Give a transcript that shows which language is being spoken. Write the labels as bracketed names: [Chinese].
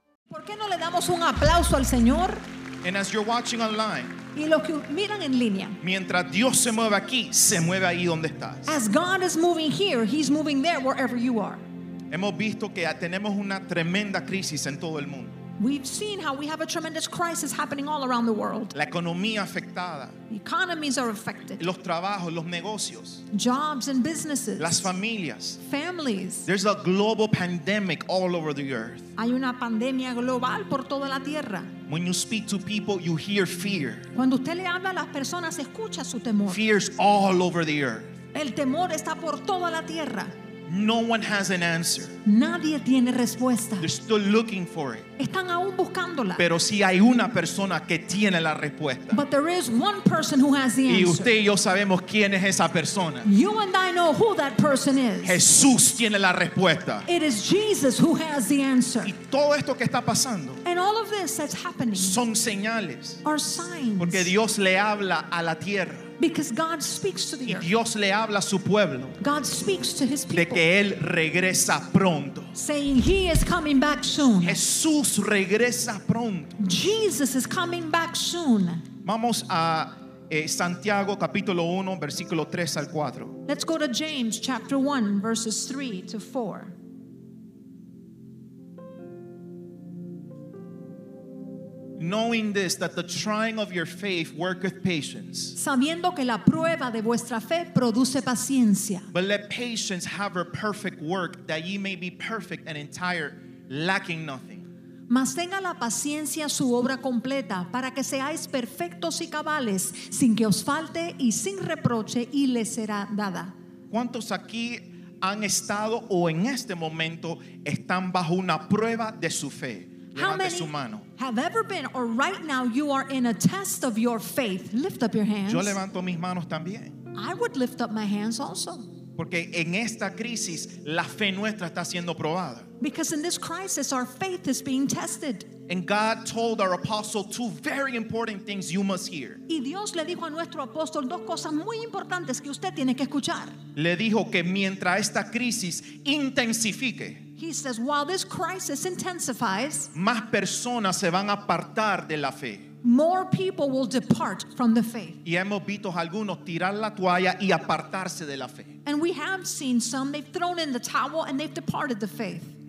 [Spanish] ¿Por qué no le damos un aplauso al Señor? [English] And as you're watching online, [Spanish] y los que miran en línea, mientras Dios se mueve aquí, se mueve ahí donde estás. [English] As God is moving here, He's moving there wherever you are. [Spanish] Hemos visto que tenemos una tremenda crisis en todo el mundo. [English] We've seen how we have a tremendous crisis happening all around the world. [Spanish] La economía afectada. [English] The economies are affected. [Spanish] Los trabajos, los negocios. [English] Jobs and businesses. [Spanish] Las familias. [English] Families. There's a global pandemic all over the earth. [Spanish] Hay una pandemia global por toda la tierra. [English] When you speak to people, you hear fear. [Spanish] Cuando usted le habla a las personas, escucha su temor. [English] Fear's all over the earth. [Spanish] El temor está por toda la tierra. [English] No one has an answer. [Spanish] Nadie tiene respuesta. [English] They're still looking for it. [Spanish] Están aún buscándola. Pero sí hay una persona que tiene la respuesta. [English] But there is one person who has the answer. [Spanish] Y usted y yo sabemos quién es esa persona. [English] You and I know who that person is. [Spanish] Jesús tiene la respuesta. [English] It is Jesus who has the answer. [Spanish] Y todo esto que está pasando, [English] and all of this that's happening, [Spanish] son señales, [English] are signs. [Spanish] Porque Dios le habla a la tierra. [English] Because God speaks to the earth. [Spanish] Y Dios le habla a su pueblo. [English] God speaks to his people. [Spanish] De que él regresa pronto. [English] Saying he is coming back soon. [Spanish] Jesús regresa pronto. [English] Jesus is coming back soon. [Spanish] Vamos a Santiago capítulo 1 versículo 3 al 4. [English] Let's go to James chapter 1 verses 3 to 4. Knowing this, that the trying of your faith worketh patience. [Spanish] Sabiendo que la prueba de vuestra fe produce paciencia. [English] But let patience have her perfect work, that ye may be perfect and entire, lacking nothing. [Spanish] Mas tenga la paciencia su obra completa, para que seáis perfectos y cabales, sin que os falte y sin reproche, y le será dada. ¿Cuántos aquí han estado o en este momento están bajo una prueba de su fe? [English] How many have ever been, or right now you are in a test of your faith? Lift up your hands. [Spanish] Yo levanto mis manos también. [English] I would lift up my hands also. [Spanish] Porque en esta crisis la fe nuestra está siendo probada. [English] Because in this crisis our faith is being tested. And God told our apostle two very important things you must hear. [Spanish] Y Dios le dijo a nuestro apóstol dos cosas muy importantes que usted tiene que escuchar. Le dijo que mientras esta crisis intensifique, [English] he says, while this crisis intensifies, [Spanish] más personas se van a apartar de la fe. [English] More people will depart from the faith. [Spanish] Y hemos visto algunos tirar la toalla y apartarse de la fe. [English] And we have seen some, they've thrown in the towel and they've departed the faith.